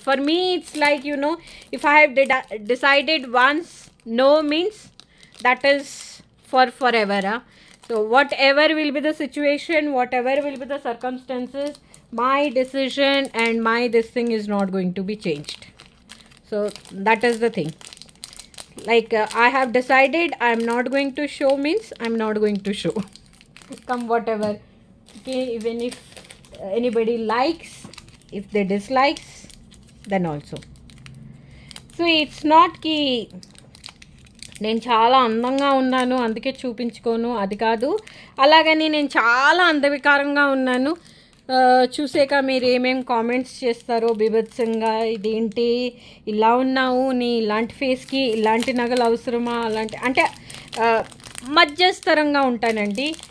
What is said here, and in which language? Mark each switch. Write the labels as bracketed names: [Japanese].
[English] For me it's like you know, if I have decided once no means that is for forever. So whatever will be the situation, whatever will be the circumstances, my decision and my this thing is not going to be changed. So that is the thing, like I have decided I am not going to show means I am not going to show, come whatever. Okay, even if anybody likes, if they dislikes, then also. So it's not [Telugu] ki నేను చాలా అందంగా ఉన్నాను అందుకే చూపించుకోను అది కాదు. అలాగని నేను చాలా అంధవికారంగా ఉన్నాను, చూసాక మీరు ఏమేమి కామెంట్స్ చేస్తారో బీభత్సంగా, ఇదేంటి ఇలా ఉన్నావు, నీ ఇలాంటి ఫేస్కి ఇలాంటి నగలు అవసరమా అలాంటి, అంటే మధ్యస్థరంగా ఉంటానండి.